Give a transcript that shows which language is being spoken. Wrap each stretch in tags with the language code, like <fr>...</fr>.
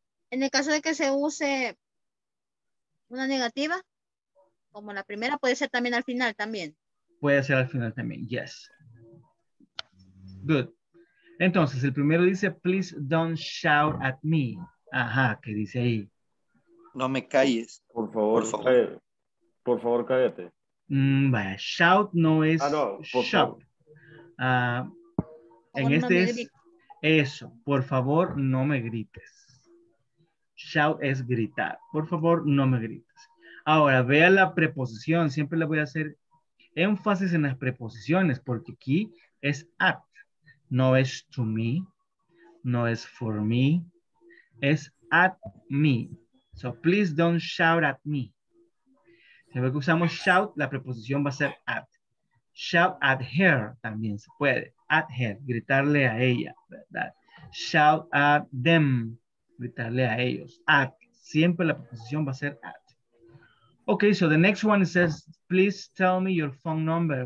<es>En el caso de que se use una negativa, como la primera, puede ser también al final también. Puede ser al final también, yes. Good. Entonces, el primero dice, please don't shout at me. Ajá, ¿qué dice ahí? No me calles. Por favor, cállate. Por favor, cállate. Vaya, shout no es shout. En este es... Eso, por favor, no me grites. Shout es gritar. Por favor, no me grites. Ahora, vea la preposición. Siempre le voy a hacer énfasis en las preposiciones, porque aquí es at. No es to me. No es for me.</es> <en>Es at me. So, please don't shout at me.</en> <es>Siempre que usamos shout, la preposición va a ser at. Shout at her también se puede. At her, gritarle a ella, ¿verdad? Shout at them, gritarle a ellos. At, siempre la preposición va a ser at.</es> <en>Okay, so the next one says, please tell me your phone number.</en>